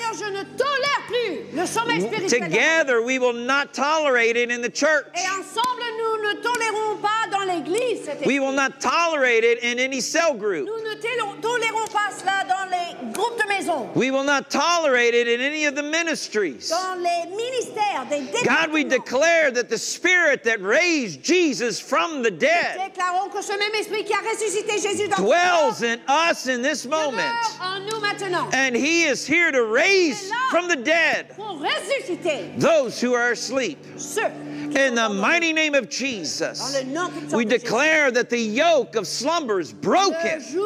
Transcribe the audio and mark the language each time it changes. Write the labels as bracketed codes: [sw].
[fr] Seigneur, je ne tolère plus le sommeil spirituel. [en] Together, we will not tolerate it in the church. [fr] Et ensemble, nous ne tolérons pas dans l'église. [en] We will not tolerate it in any cell group. [fr] Nous ne tolérons pas cela dans les groupes de maison. [en] We will not tolerate it in any of the ministries. [fr] Dans les ministères des dépendants. [en] God, we declare that the spirit that raised Jesus from the dead [fr] déclarons que ce même esprit qui a ressuscité Jésus dans [en] dwells in us in this moment. And he is here to raise from the dead those who are asleep. In the mighty name of Jesus, we declare that the yoke of slumber is broken.